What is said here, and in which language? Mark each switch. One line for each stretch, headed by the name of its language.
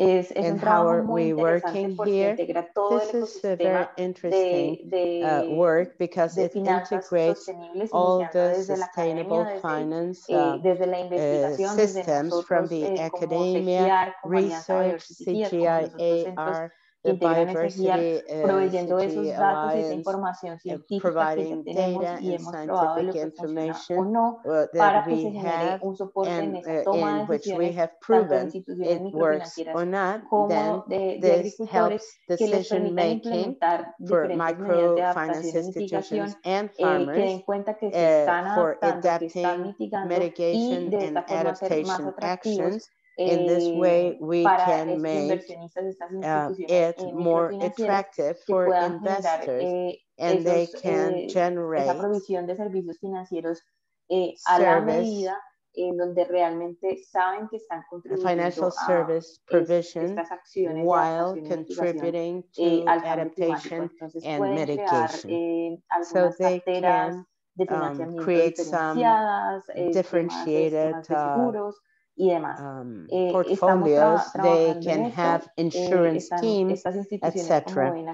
English: And how are we working here? This is a very interesting work because it integrates all the sustainable finance systems from the academia, research, CGIAR,
Spanish: the biodiversity proveyendo esos datos y esa información científica que tenemos y hemos probado lo que funciona o no para que se genere un soporte en esa toma de decisiones tanto de instituciones microfinancieras como de agricultores que les permitan implementar diferentes medidas de adaptación y mitigación que den cuenta que se están adaptando, que están mitigando y de esta forma ser más atractivos.
English: In this way, we can make it more attractive for investors, and they can generate
Spanish: esa provisión de servicios financieros a la medida en donde realmente saben que están contribuyendo a
English: financial service provision while contributing to adaptation and mitigation. So they can create some differentiated
Spanish: y demás.
English: Portfolios, they can have insurance teams, etc.